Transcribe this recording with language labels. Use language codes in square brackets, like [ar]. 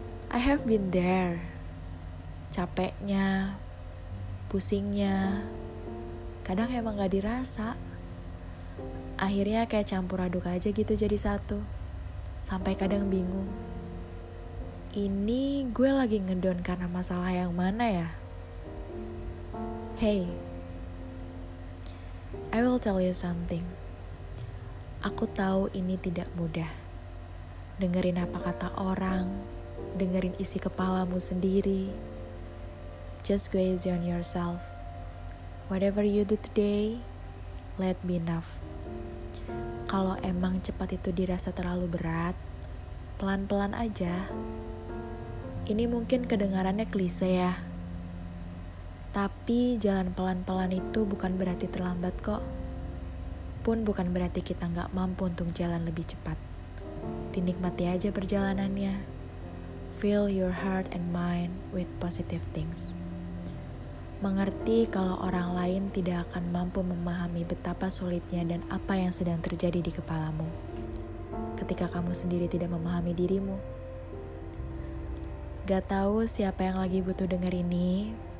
[id] I have been there. Capeknya, pusingnya, kadang emang gak dirasa. Akhirnya kayak campur aduk aja gitu jadi satu. Sampai kadang bingung. Ini gue lagi ngedown karena masalah yang mana ya? [en] Hey, I will tell you something. [id] Aku tahu ini tidak mudah. Dengerin apa kata orang, dengerin isi kepalamu sendiri. [en] Just go easy on yourself. Whatever you do today, let be enough. [id] Kalau emang cepat itu dirasa terlalu berat, pelan-pelan aja. Ini mungkin kedengarannya klise ya. Tapi jalan pelan-pelan itu bukan berarti terlambat kok. Pun bukan berarti kita gak mampu untuk jalan lebih cepat. Dinikmati aja perjalanannya. [en] Fill your heart and mind with positive things. [id] Mengerti kalau orang lain tidak akan mampu memahami betapa sulitnya dan apa yang sedang terjadi di kepalamu ketika kamu sendiri tidak memahami dirimu. Gak tahu siapa yang lagi butuh dengar ini.